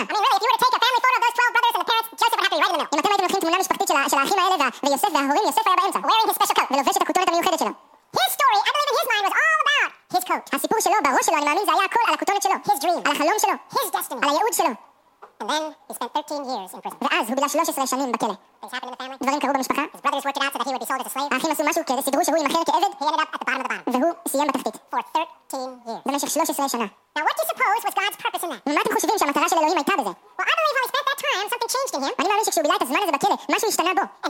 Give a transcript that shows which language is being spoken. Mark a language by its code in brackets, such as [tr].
[en] I mean really, if you were to take a family photo of those 12 brothers and the parents, Joseph would have to be right in the middle. [he] אם אתם הייתם לוקחים תמונה משפחתית של האחים האלה ויוסף וההורים, יוסף היה באמצע. [en] Wearing his special coat. [he] ולובש את הכותונת המיוחדת שלו. [en] His story, I believe in his mind, was all about his coat. [he] הסיפור שלו, בראש שלו, אני מאמין, זה היה הכל על הכותונת שלו. [en] His dream. [he] על החלום שלו. [en] His destiny. [he] על הייעוד שלו. [en] And then he spent 13 years in prison. [he] ואז הוא בילה 13 שנים בכלא. [en] Things happened in the family. [he] דברים קרו במשפחה. [en] His brothers worked it out so that he would be sold as a slave. [he] האחים עשו משהו כדי שסידרו שהוא ימכר כעבד. [en] He ended up at the bottom of the barn. [he] והוא סיים בתחתית. [en] For 13 years. [he] במשך 13 שנה. [en] Now what do you suppose was God's purpose in that? [he] ומה אתם חושבים שהמטרה של אלוהים הייתה בזה? [en] Well, I believe while he spent that time, something changed in him. [he] אני מאמין שכשהוא בילה את הזמן הזה בכלא, משהו השתנה בו.